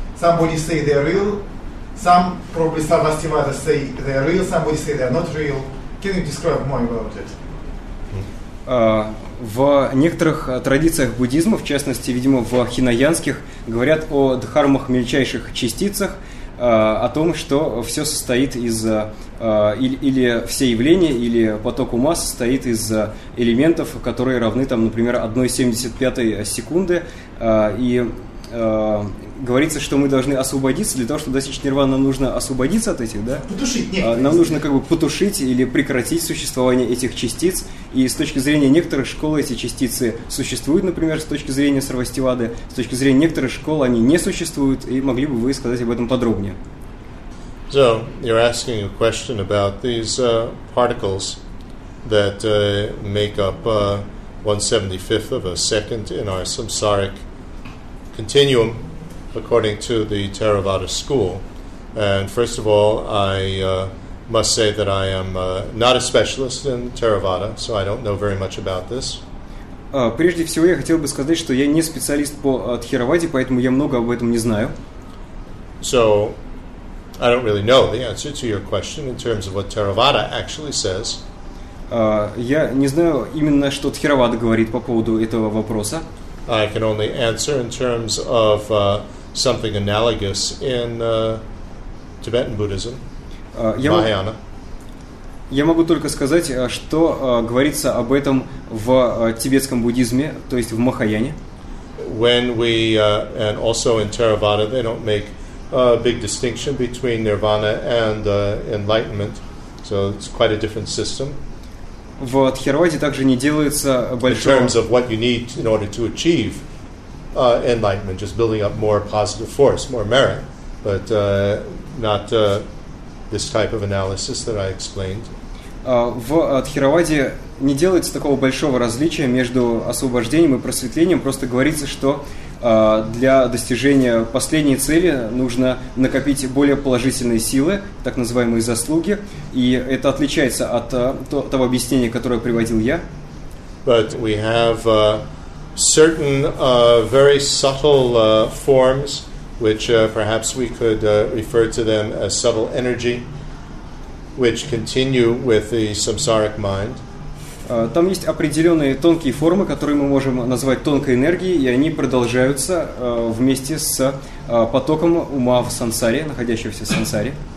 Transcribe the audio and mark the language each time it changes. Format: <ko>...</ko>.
<en>Somebody say they are real, some probably Sarvastivada say they are real, somebody say they are not real. Can you describe more about it?</en> <ru>В некоторых традициях буддизма, в частности, видимо, в хинаянских, говорят о дхармах мельчайших частицах, о том, что все состоит из или все явления, или поток ума состоит из элементов, которые равны, там, например, 1,75 секунды. И говорится, что мы должны освободиться. Для того, чтобы достичь нирваны, нам нужно освободиться от этих, да? Потушить, нет. Нам нужно как бы потушить или прекратить существование этих частиц. И с точки зрения некоторых школ эти частицы существуют, например, с точки зрения Сарвастивады. С точки зрения некоторых школ они не существуют. И могли бы вы сказать об этом подробнее?</ru> <en>So, you're asking a question about these particles that make up 1/75th of a second in our samsaric continuum, according to the Theravada school. And first of all, I must say that I am not a specialist in Theravada, so I don't know very much about this.</en> <ru>Прежде всего, я хотел бы сказать, что я не специалист по Тхераваде, поэтому я много об этом не знаю.</ru> <en>So, I don't really know the answer to your question in terms of what Theravada actually says.</en> <ru>Я не знаю именно, что Тхеравада говорит по поводу этого вопроса.</ru> <en>I can only answer in terms of something analogous in Tibetan Buddhism, Mahayana.</en> <ru>Я могу только сказать, что говорится об этом в тибетском буддизме, то есть в Махаяне.</ru> <en>When we and also in Theravada, they don't make a big distinction between Nirvana and enlightenment, so it's quite a different system.</en> <ru>В Тхераваде также не делается большого.</ru> <en>In terms of what you need in order to achieve enlightenment, just building up more positive force, more merit, but not this type of analysis that I explained.</en> <ru>В Тхераваде не делается такого большого различия между освобождением и просветлением. Просто говорится, что для достижения последней цели нужно накопить более положительные силы, так называемые заслуги. И это отличается от того объяснения, которое приводил я.</ru> <en>But we have certain very subtle forms, which perhaps we could refer to them as subtle energy, which continue with the samsaric mind.</en> <ru>Там есть определенные тонкие формы, которые мы можем назвать тонкой энергией, и они продолжаются вместе с потоком ума в сансаре, находящегося в сансаре.</ru>